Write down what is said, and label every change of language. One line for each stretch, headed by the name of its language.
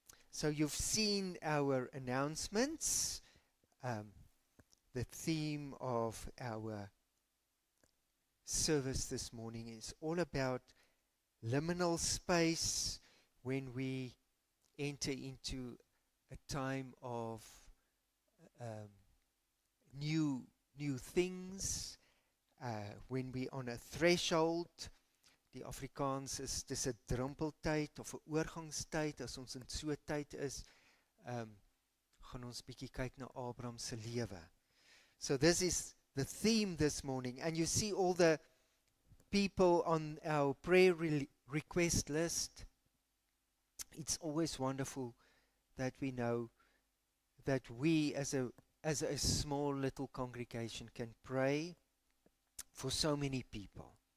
English: So you've seen our announcements, the theme of our service this morning is all about liminal space, when we enter into a time of new things, when we on a threshold.
Afrikaans: Die Afrikaans is, dis 'n drumpeltyd of 'n oorgangstyd, as ons in so 'n tyd is, gaan ons bietjie kyk na Abraham se lewe.
English: So this is the theme this morning, and you see all the people on our prayer request list. It's always wonderful that we know that we as a small little congregation can pray for so many people.